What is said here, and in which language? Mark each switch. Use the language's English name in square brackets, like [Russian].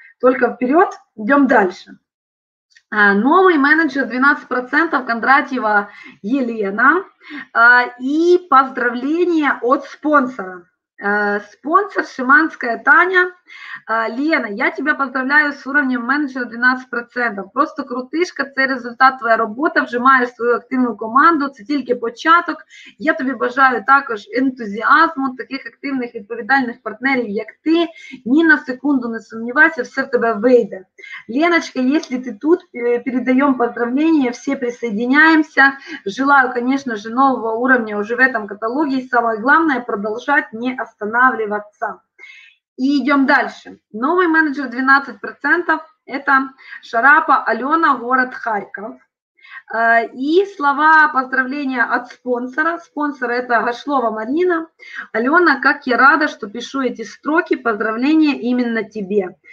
[Russian] Только вперед, идем дальше. Новый менеджер 12% Кондратьева Елена. И поздравления от спонсора. Спонсор Шиманская Таня. Лена, я тебя поздравляю с уровнем менеджера 12%. [Ukrainian] Просто крутишка, це результат твоя робота, вжимаєш свою активну команду, це тільки початок. Я тобі бажаю також ентузіазму, таких активних, відповідальних партнерів, як ти. Ні на секунду не сумнівайся, все в тебе вийде. Леночка, якщо ти тут, передаємо поздравлення, всі присоединяємося. [Russian] Желаю, [Ukrainian] звісно, нового уровня уже в цьому каталогі. І саме головне – продовжувати, не останавливатися. [Russian] И идем дальше. Новый менеджер 12% – это Шарапа Алена, город Харьков. И слова поздравления от спонсора. Спонсор – это Гашлова Марина. Алена, как я рада, что пишу эти строки поздравления именно тебе.